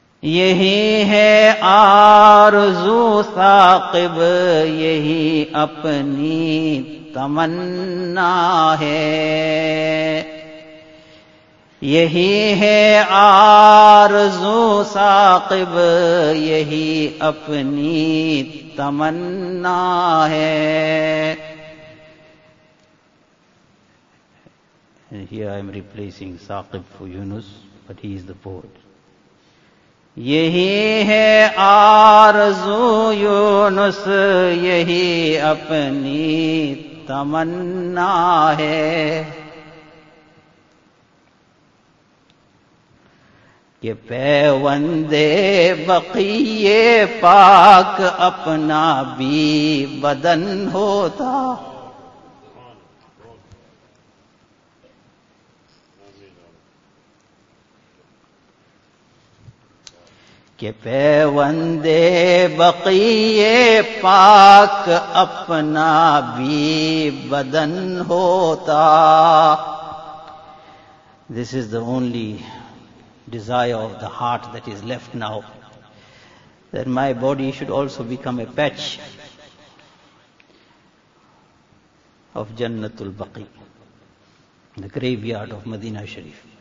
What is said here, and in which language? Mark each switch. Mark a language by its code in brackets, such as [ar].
[ur] یہی ہے آرزو ثاقب یہی اپنی تمنا ہے. یہی ہے آرزو ثاقب یہی اپنی تمنا ہے. [en] And here I am replacing Saqib for Yunus, but he is the poet. [ur] یہی ہے آرزو یونس یہی اپنی تمنا ہے. کہ پیوندے بقیے پاک اپنا بھی بدن ہوتا. کہ پیوندے بقیے پاک اپنا بھی بدن ہوتا. [en] This is the only desire of the heart that is left now, that my body should also become a patch of Jannatul Baqi, the graveyard of Madina Sharif.